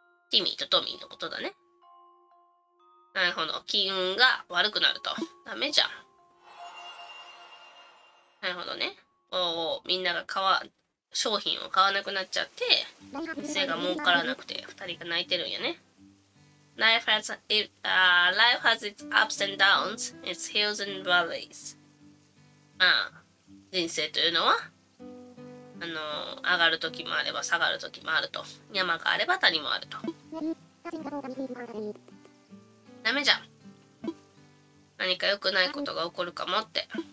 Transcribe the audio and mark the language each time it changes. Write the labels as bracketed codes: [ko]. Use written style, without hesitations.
[ja] ティミーとトミーのことだね。なるほど。金運が悪くなると。ダメじゃん。なるほどね。みんなが商品を買わなくなっちゃって、店が儲からなくて2人が泣いてるんやね。 [en] Life has its ups and downs, its hills and valleys. [ja] まあ人生というのは上がる時もあれば下がる時もあると。山があれば谷もあると。ダメじゃん。何か良くないことが起こるかもって。